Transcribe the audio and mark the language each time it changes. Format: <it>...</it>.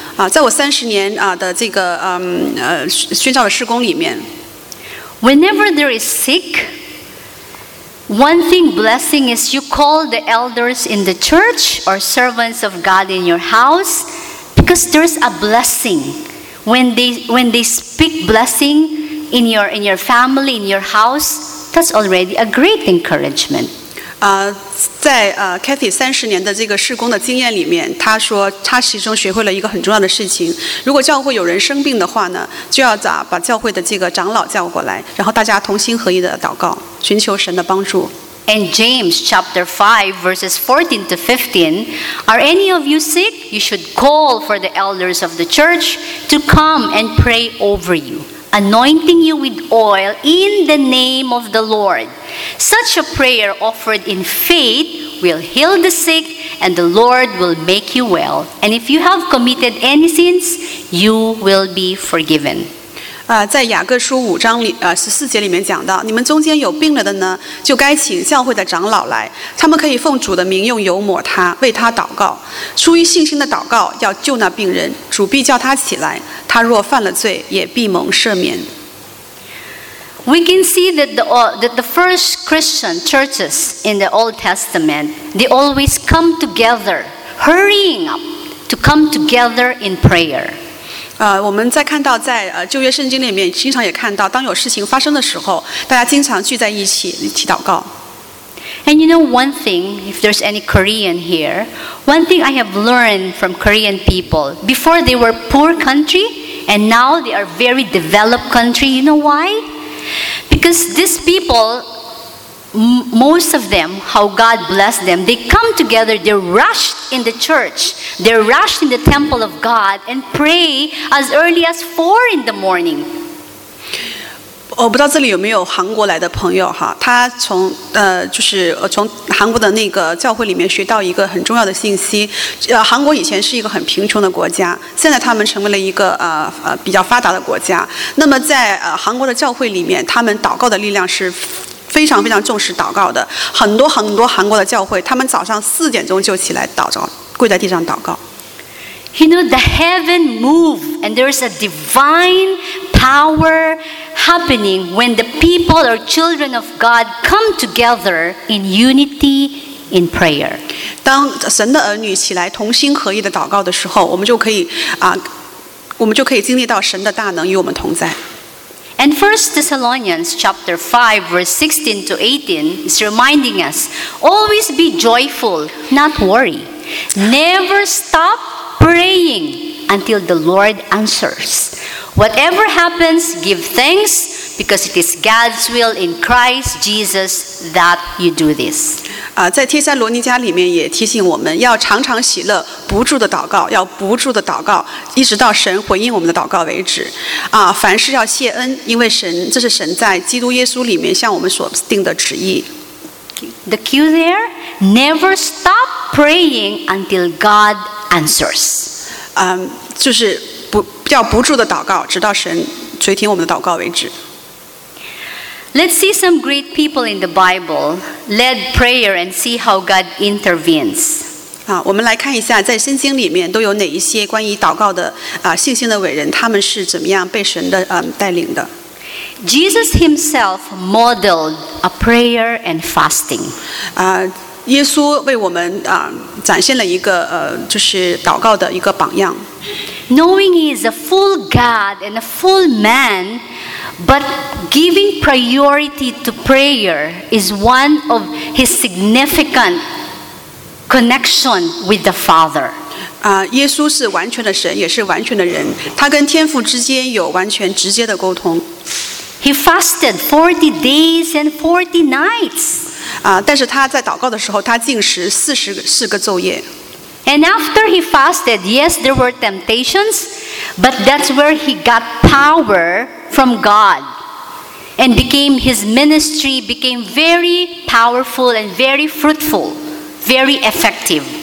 <zh>在我30年的这个宣教的事工里面。</zh> <en>Whenever there is sick, one thing blessing is you call the elders in the church or servants of God in your house, because there's a blessing when they speak blessing in your family, in your house. That's already a great encouragement.</en> <zh>在Kathy 30年的这个事工的经验里面，她说她其中学会了一个很重要的事情。如果教会有人生病的话呢，就要把教会的这个长老叫过来，然后大家同心合意的祷告，寻求神的帮助。</zh> <en>And James chapter 5 verses 14 to 15, are any of you sick? You should call for the elders of the church to come and pray over you. Anointing you with oil in the name of the Lord. Such a prayer offered in faith will heal the sick, and the Lord will make you well. And if you have committed any sins, you will be forgiven.</en> <zh>在雅各书五章里14节里面讲到，你们中间有病了的呢，就该请教会的长老来，他们可以奉主的名用油抹他，为他祷告。出于信心的祷告要救那病人，主必叫他起来，他若犯了罪，也必蒙赦免。</zh> <en>We can see that the first Christian churches in the Old Testament, they always come together, hurrying up to come together in prayer.</en> <zh>我们在看到在旧约圣经里面经常也看到当有事情发生的时候大家经常聚在一起一起祷告。</zh> <en>And you know one thing, if there's any Korean here, one thing I have learned from Korean people, before they were poor country, and now they are very developed country, you know why? Because these people, most of them, how God blessed them, they come together, they rush in the church, they rush in the temple of God and pray as early as 4 in the morning.</en> <zh>我不知道这里有没有韩国来的朋友哈，他从就是从韩国的那个教会里面学到一个很重要的信息。韩国以前是一个很贫穷的国家，现在他们成为了一个比较发达的国家。那么在韩国的教会里面，他们祷告的力量是非常非常重视祷告的。很多很多韩国的教会，他们早上4点钟就起来祷告，跪在地上祷告。</zh> <en>You know, the heaven move and there's a divine power happening when the people or children of God come together in unity in prayer.</en> <zh>当神的儿女起来同心合意的祷告的时候，我们就可以经历到神的大能与我们同在。</zh> <en>And 1 Thessalonians chapter 5 verse 16 to 18 is reminding us, always be joyful, not worry. Never stop praying until the Lord answers. Whatever happens, give thanks because it is God's will in Christ Jesus that you do this.</en> <zh>在帖撒罗尼迦里面也提醒我们要常常喜乐，不住的祷告，要不住的祷告，一直到神回应我们的祷告为止。凡事要谢恩，因为神，这是神在基督耶稣里面向我们所定的旨意。</zh> <en>The cue there, never stop praying until God answers.</en> <zh>就是要不住的祷告，直到神垂听我们的祷告为止。</zh> <en>Let's see some great people in the Bible led prayer and see how God intervenes.</en> <zh>我们来看一下在圣经里面都有哪一些关于祷告的信心的伟人，他们是怎么样被神的带领的。</zh> <en>Jesus himself modeled a prayer and fasting.</en> <zh>耶稣为我们展现了一个就是祷告的一个榜样。</zh> <en>Knowing he is a full God and a full man, but giving priority to prayer is one of his significant connection with the Father.</en> <zh>耶稣是完全的神，也是完全的人，他跟天父之间有完全直接的沟通。</zh> <en>He fasted 40 days and 40 nights.</en> <zh>但是他在祷告的时候，他禁食44个昼夜。</zh> <en>And after he fasted, yes, there were temptations, but that's where he got power from God. And became his ministry became very powerful and very fruitful, very effective.</en>